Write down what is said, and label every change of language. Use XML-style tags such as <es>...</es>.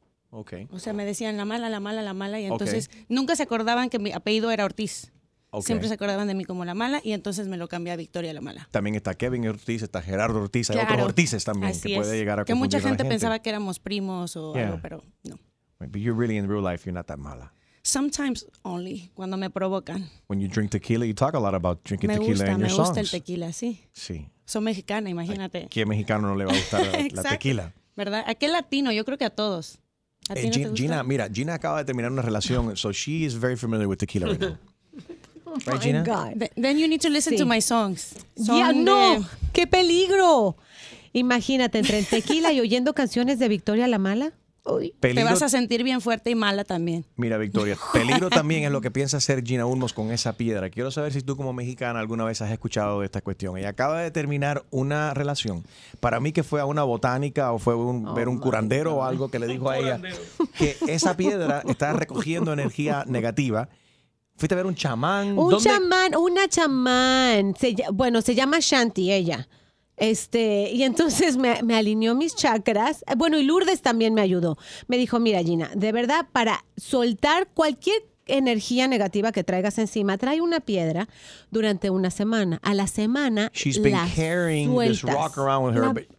<en>Okay.</en> <es>O sea, me decían La Mala, La Mala, La Mala. Y entonces nunca se acordaban que mi apellido era Ortiz.</es> <en>Okay.</en> <es>Siempre se acordaban de mí como La Mala y entonces me lo cambié a Victoria La Mala. También está Kevin Ortiz, está Gerardo Ortiz. Claro. Hay otros Ortizes también. Así que puede llegar a confundir. Que mucha gente, a la gente pensaba que éramos primos o algo, pero no.</es> <en>But you're really in real life, you're not that mala. Sometimes only,</en> <es>cuando me provocan.</es> <en>When you drink tequila, you talk a lot about drinking tequila in your songs.</en> <es>Me gusta el tequila, sí. Sí. Soy mexicana, imagínate. ¿A qué mexicano no le va a gustar la tequila? ¿Verdad? ¿A qué latino? Yo creo que a todos. ¿A ti no te gusta? Gina, mira, Gina acaba de terminar una relación,</es> <en>so she is very familiar with tequila right now. Oh, right, Gina? God. Then you need to listen to my songs.</en> <es>¡No! ¡Qué peligro! Imagínate, entre el tequila y oyendo canciones de Victoria La Mala. Peligro. Te vas a sentir bien fuerte y mala también. Mira, Victoria, peligro también es lo que piensa hacer Gina Ulmos con esa piedra. Quiero saber si tú como mexicana alguna vez has escuchado de esta cuestión. Ella acaba de terminar una relación. Para mí que fue a una botánica o fue ver un curandero o algo que le dijo a ella que esa piedra está recogiendo energía negativa. ¿Fuiste a ver un chamán? Una chamán. Se llama Shanti ella. Y entonces me alineó mis chakras. Bueno, y Lourdes también me ayudó. Me dijo, mira, Gina, de verdad, para soltar cualquier energía negativa que traigas encima, trae una piedra durante una semana. A la semana, she's been carrying this rock around with her.</es>